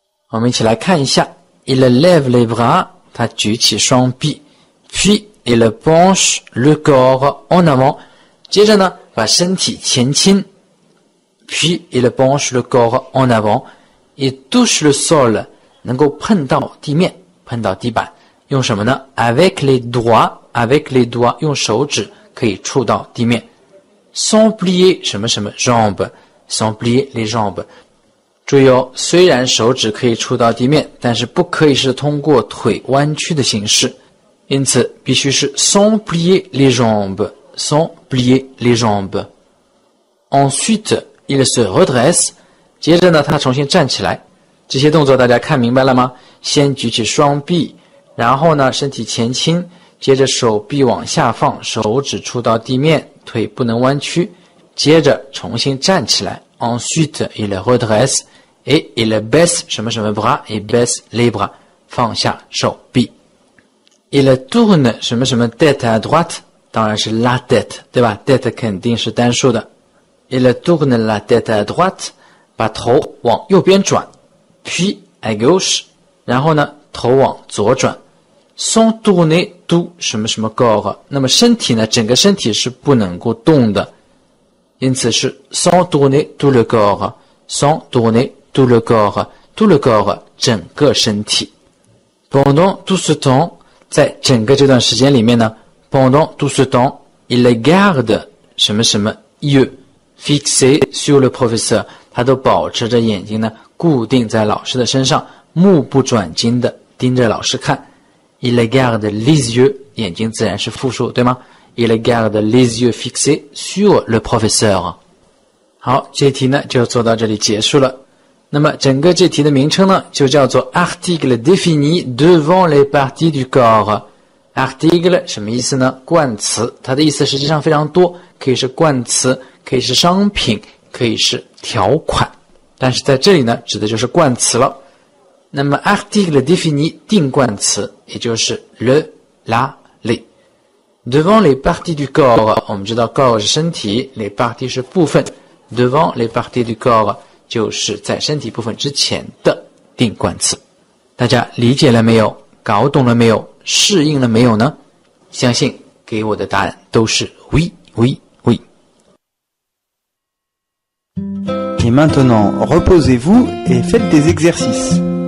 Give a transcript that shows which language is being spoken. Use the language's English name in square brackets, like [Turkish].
[French] 我们一起来看一下 Il lève les bras， [Chinese] 他举起双臂， [French] Puis il penche le corps en avant， [Chinese] 接着呢把身体前倾， [French] Puis il penche le corps en avant， Il touche le sol， [Chinese] 能够碰到地面，碰到地板，用什么呢？ [French] Avec les doigts， Avec les doigts， [Chinese] 用手指可以触到地面。 Sans plier 什么什么 jambes， [French] Sans plier les jambes， [Chinese] 注意哦，虽然手指可以触到地面，但是不可以是通过腿弯曲的形式，因此必须是 [French] sans plier les jambes， sans plier les jambes。 Ensuite il se redresse， [Chinese] 接着呢他重新站起来。这些动作大家看明白了吗？先举起双臂，然后呢身体前倾，接着手臂往下放，手指触到地面，腿不能弯曲，接着重新站起来。 [French] Ensuite, il redresse et il baisse 什么什么 bras et baisse les bras， [Chinese] 放下手臂。 [French] Il tourne 什么什么 tête à droite， 当然是 la tête， [Chinese] 对吧？ tête 肯定是单数的。 [French] Il tourne la tête à droite， [Chinese] 把头往右边转， [French] puis à gauche， [Chinese] 然后呢头往左转。 [French] Sans tourner tout 什么什么 corps， [Chinese] 那么身体呢，整个身体是不能够动的，因此是 [French] sans tourner tout le corps， sans tourner tout le corps， tout le corps， [Chinese] 整个身体。 [French] Pendant tout ce temps， [Chinese] 在整个这段时间里面呢， [French] Pendant tout ce temps il garde 什么什么 yeux fixé sur le professeur， [Chinese] 他都保持着眼睛呢固定在老师的身上，目不转睛的盯着老师看。 [French] Il garde les yeux， [Chinese] 眼睛自然是复数，对吗？ [French] il garde les yeux fixés sur le professeur. [Chinese] 好，这题呢就做到这里结束了。那么整个这题的名称呢就叫做 [French] article défini devant les parties du corps。 [Chinese] article 什么意思呢？冠词，它的意思实际上非常多，可以是冠词，可以是商品，可以是条款。但是在这里呢，指的就是冠词了。那么 article défini 定冠词，也就是 le, la, les。 [French] devant les parties du corps， [Chinese] 我们知道 corps 是身体 ，les parties 是部分。 [French] devant les parties du corps [Chinese] 就是在身体部分之前的定冠词。大家理解了没有？搞懂了没有？适应了没有呢？相信给我的答案都是 oui, oui, oui。 [French] Et maintenant, reposez-vous et faites des exercices.